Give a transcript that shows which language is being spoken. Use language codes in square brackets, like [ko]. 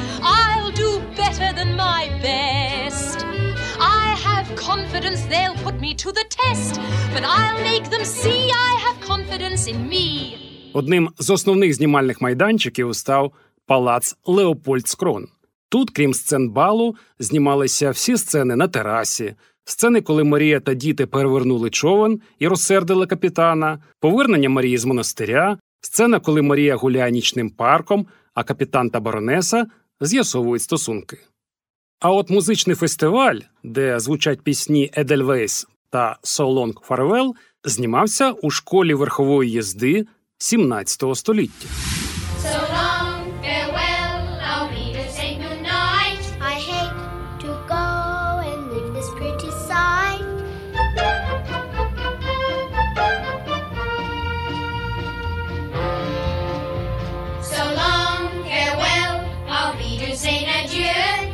[en] I'll do better than my best. I have confidence they'll put me to the test. But I'll make them see I have confidence in me. [uk] Одним з основних знімальних майданчиків став палац Леопольдскрон. Тут, крім сцен балу, знімалися всі сцени на терасі, сцени, коли Марія та діти перевернули човен і розсердили капітана, повернення Марії з монастиря, сцена, коли Марія гуляє нічним парком, а капітан та баронеса з'ясовують стосунки. А от музичний фестиваль, де звучать пісні «Едельвейс» та «So Long Farewell», знімався у школі верхової їзди 17 століття. [en] So long, farewell, I'll be to say goodnight. I hate to go and leave this pretty sight. So long, farewell, I'll be to say adieu.